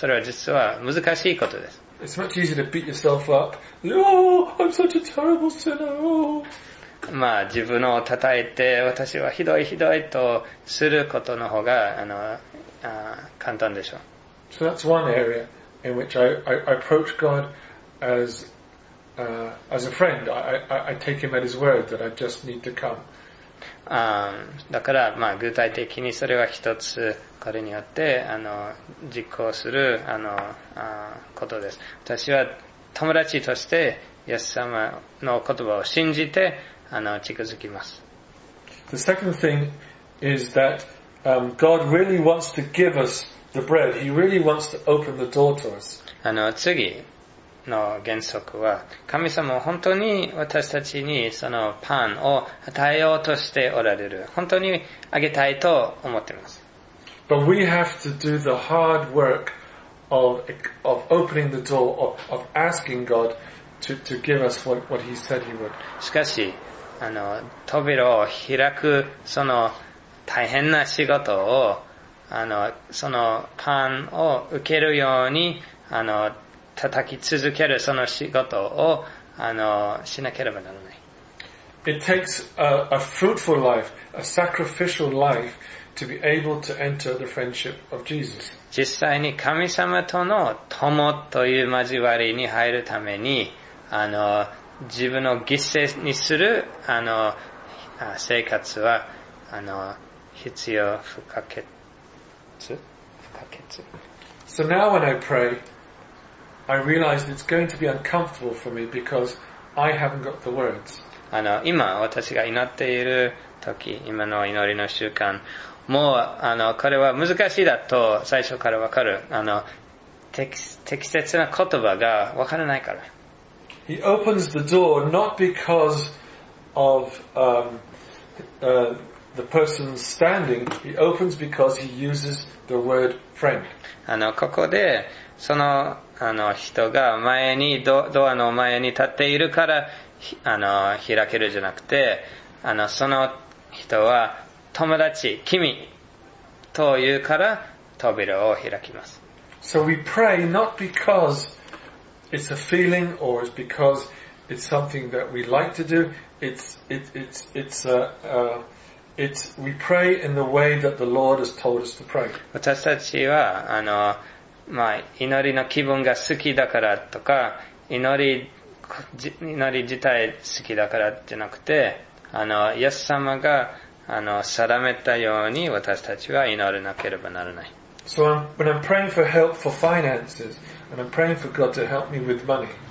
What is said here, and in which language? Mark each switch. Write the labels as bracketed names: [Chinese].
[Japanese] それは実は難しいことです。 [English] It's much easier to beat yourself up. Oh, I'm such a terrible sinner. [Japanese] まあ、自分を叩いて、私はひどいひどいとすることの方が、簡単でしょう。 [English] So that's one area in which I approach God as a friend. I take him at his word that I just need to come. [Japanese] だから、まあ、具体的にそれは一つ、これによって、実行する、ことです。私は友達として、イエス様の言葉を信じて、近づきます。 [English] The second thing is that, God really wants to give us the bread. He really wants to open the door to us. [Japanese] 次の原則は神様は本当に私たちにそのパンを与えようとしておられる本当にあげたいと思っています。 [English] But we have to do the hard work of opening the door of asking God to give us what He said He would. [Japanese] しかし扉を開くその大変な仕事をそのパンを受けるように叩き続けるその仕事をしなければならない。 [English] It takes a fruitful life, a sacrificial life, to be able to enter the friendship of Jesus. [Japanese] 実際に神様との友という交わりに入るために自分を犠牲にする生活は必要不可欠。 [English] So now when I pray. I realize it's going to be uncomfortable for me because I haven't got the words. [Japanese] 今私が祈っている時、今の祈りの習慣、もうこれは難しいだと最初からわかる。適切な言葉がわからないから。 [English] He opens the door not because of the person's standing. He opens because he uses the word friend. [Japanese] ここでその人が前にドアの前に立っているから開けるじゃなくてその人は友達君というから扉を開きます。 [English] So we pray not because it's a feeling or it's because it's something that we like to do. It's we pray in the way that the Lord has told us to pray. [Japanese] 私たちはまあ、祈りの気分が好きだからとか、祈り自体好きだからじゃなくて、イエス様が、定めたように私たちは祈らなければならない。 [English] So when I'm praying for help for finances, and I'm praying for God to help me with money.